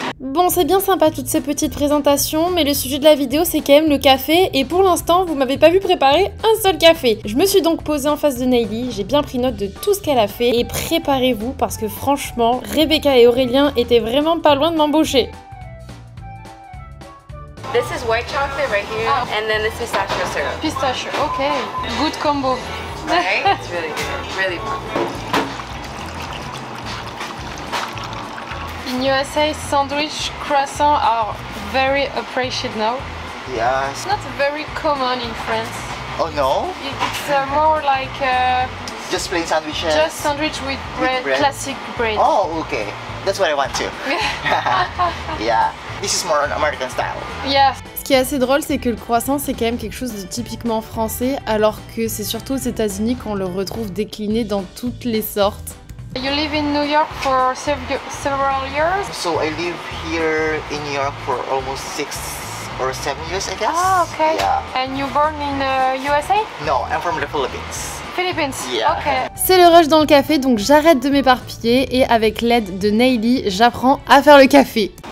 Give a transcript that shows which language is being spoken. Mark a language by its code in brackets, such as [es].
[fr] Bon, c'est bien sympa toutes ces petites présentations, mais le sujet de la vidéo, c'est quand même le café, et pour l'instant, vous m'avez pas vu préparer un seul café. Je me suis donc posée en face de Nayli, j'ai bien pris note de tout ce qu'elle a fait, et préparez-vous, parce que franchement, Rebecca et Aurélien étaient vraiment pas loin de m'embaucher. [en] This is white chocolate right here, oh. And then this is pistachio syrup. Pistachio, okay. Good combo. Right? It's really good, really good. In USA, sandwich croissants are very appreciated now. Yes. Not very common in France. Oh no? It's more like... Just plain sandwiches? Just sandwich with bread, classic bread. Oh, okay. That's what I want too. Yeah. This is more an American style. Yeah. [fr] Ce qui est assez drôle, c'est que le croissant, c'est quand même quelque chose de typiquement français, alors que c'est surtout aux États-Unis qu'on le retrouve décliné dans toutes les sortes. [en] You live in New York for several years? So I live here in New York for almost 6 or 7 years, I guess. Oh, okay. Yeah. And you born in USA? No, I'm from the Philippines. Philippines? Yeah. Okay. [fr] C'est le rush dans le café, donc j'arrête de m'éparpiller et avec l'aide de Nayli, j'apprends à faire le café.